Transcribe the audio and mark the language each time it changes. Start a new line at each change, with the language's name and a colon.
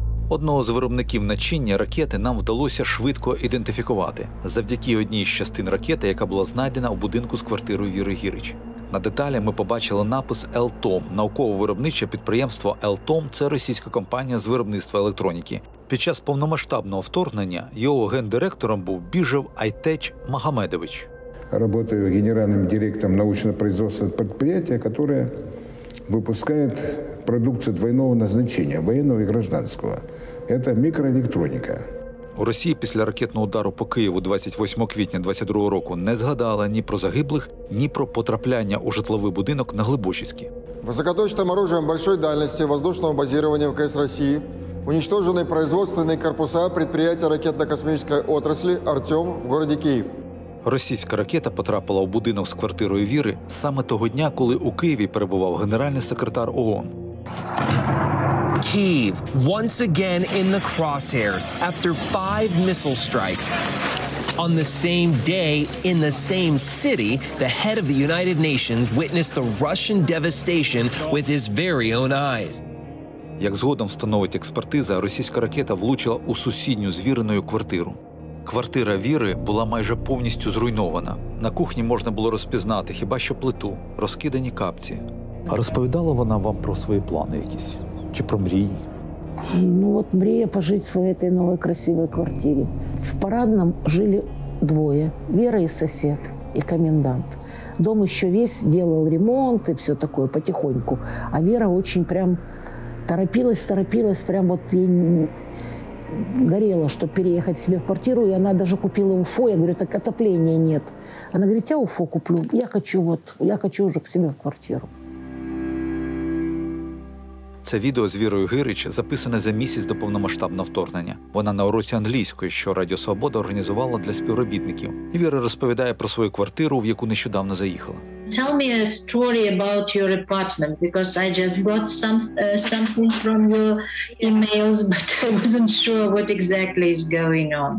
Ukrainian: Одного з виробників начиння ракети нам вдалося швидко ідентифікувати завдяки одній з частин ракети, яка була знайдена у будинку з квартирою Віри Гирич. На деталі ми побачили напис «ЛТОМ». Науково-виробниче підприємство «ЛТОМ» – це російська компанія з виробництва електроніки. Під час повномасштабного вторгнення його гендиректором був Біжев Айтеч Магомедович.
Russian: Работаю генеральним директором научно-производственного предприятия, которое выпускает продукцию двойного назначения, военного и гражданского. Это микроэлектроника.
Ukrainian: У Росії після ракетного удару по Києву 28 квітня 2022 року не згадала ні про загиблих, ні про потрапляння у житловий будинок на Глибочиськи.
Russian: Високоточним оружием большой дальности воздушного базирования ВКС России уничтожены производственные корпуса предприятия ракетно-космической отрасли «Артем» в городе Киев.
Ukrainian: Російська ракета потрапила у будинок з квартирою Віри саме того дня, коли у Києві перебував генеральний секретар ООН.
English: Kyiv once again in the crosshairs after 5 missile strikes. On the same day, in the same city, the head of the United Nations witnessed the Russian devastation with his very own eyes.
Ukrainian: Як згодом встановить експертиза, російська ракета влучила у сусідню з Віриною квартиру. Квартира Віри була майже повністю зруйнована. На кухні можна було розпізнати хіба що плиту, розкидані капці. А розповідала вона вам про свої плани якісь? чи про мрії? Ну от мрія пожити в своїй тій новій красивій квартирі.
Russian: В парадном жили
Ukrainian: двоє: Віра і сусід, і комендант. Дом ще весь делал ремонт і все таке потихоньку.
Russian: А Віра очень прям торопилась, прям от і горела,
Ukrainian: щоб переїхати себе в квартиру,
Russian: і вона даже купила УФО. Я говорю, так отопления нет.
Ukrainian: Вона говорить,
Russian: я УФО куплю. Я хочу уже к себе в квартиру.
Ukrainian: Це відео з Вірою Гирич записане за місяць до повномасштабного вторгнення. Вона на уроці англійської, що Радіо Свобода організувала для співробітників. І Віра розповідає про свою квартиру, в яку нещодавно заїхала.
English: Tell me a story about your apartment, because I just got something from your emails, but I wasn't sure what exactly is going on.